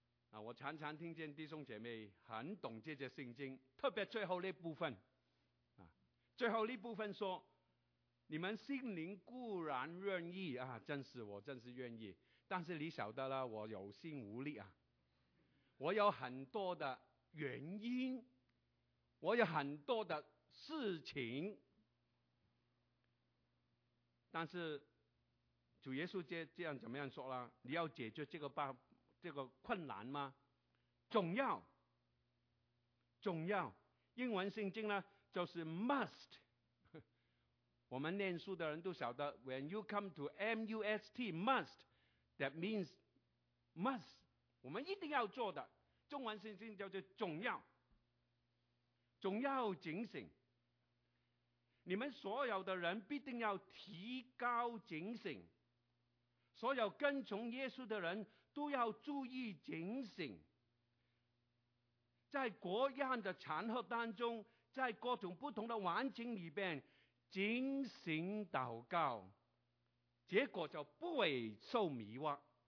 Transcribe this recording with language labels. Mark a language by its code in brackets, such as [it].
[zh] 啊，我常常听见弟兄姐妹很懂这节圣经，特别最后那部分，啊，最后那部分说，你们心灵固然愿意啊，真是我真是愿意，但是你晓得了，我有心无力啊，我有很多的原因，我有很多的事情，但是主耶稣这样怎么样说呢？你要解决这个困难吗？总要，英文圣经呢就是 must。我们念书的人都晓得 [en] ，when you come to must, must, that means must。 [zh] 我们一定要做的，中文圣经叫做总要。总要警醒，你们所有的人必定要提高警醒，所有跟从耶稣的人都要注意警醒，在各样的场合当中，在各种不同的环境里边警醒祷告，结果就不会受迷惑。